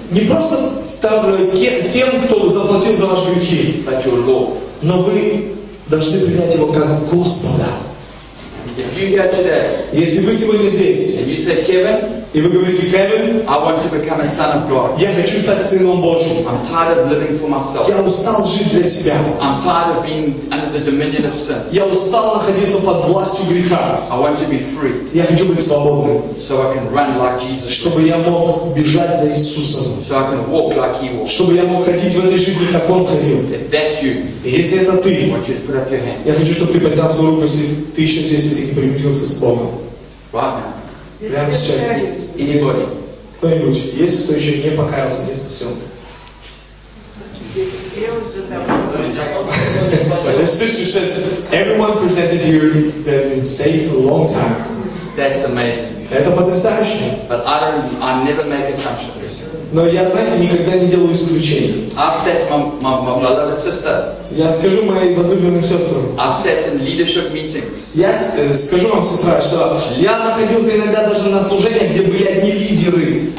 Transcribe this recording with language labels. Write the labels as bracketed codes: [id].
[ru] не просто тем, кто заплатил за ваши грехи, [en] but your Lord, [ru] но вы должны принять Его как Господа. [en] If you here today, [ru] если вы сегодня здесь, [en] and you say, Kevin, [ru] и вы говорите, Кевин, [en] I want to become a son of God. [ru] Я хочу стать сыном Божьим. [en] I'm tired of living for myself. [ru] Я устал жить для себя. [en] I'm tired of being under the dominion of sin. [ru] Я устал находиться под властью греха. [en] I want to be free. [ru] Я хочу быть свободным. [en] So I can run like Jesus. [ru] Чтобы я мог бежать за Иисусом. [en] So I can walk like He walked. [ru] Чтобы я мог ходить в этой жизни, как Он ходил. [en] If that's you, [ru] если это ты, [en] I want you to put up your hand. [ru] Я хочу, чтобы ты поднял свою руку, если ты еще здесь и примирился с Богом. [en] Right. [ru] Прямо сейчас. [en] Anybody? [ru] Кто-нибудь? Есть, кто еще не покаялся, не спасен? [en] The sister says, everyone presented here that been saved for a long time. That's amazing. [ru] Это потрясающе. [en] But I never make assumptions. [ru] Но я, знаете, никогда не делаю исключений. [en] I've sat my beloved sister. [ru] Я скажу моим возлюбленным сестрам. [en] I've sat in leadership meetings. [ru] Я скажу вам, сестра, что я находился иногда даже на служениях, где были одни лидеры.